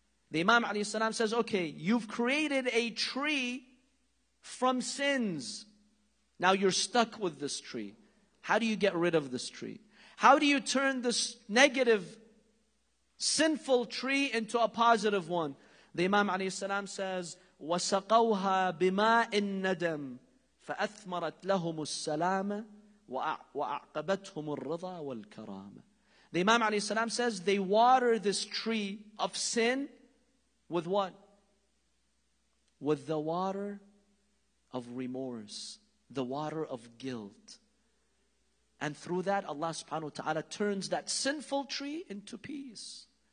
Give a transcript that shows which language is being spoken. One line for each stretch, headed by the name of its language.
English: The Imam alayhi salam says, okay, you've created a tree from sins. Now you're stuck with this tree. How do you get rid of this tree? How do you turn this negative, sinful tree into a positive one? The Imam alayhi salam says,
Arabic: وَسَقَوْهَا بِمَاءِ النَّدَمِ فَأَثْمَرَتْ لَهُمُ السَّلَامَ وَأَعْقَبَتْهُمُ الرَّضَى وَالْكَرَامَ.
English: The Imam alayhi salam says, they water this tree of sin with what? With the water of remorse, the water of guilt. And through that, Allah subhanahu wa ta'ala turns that sinful tree into peace.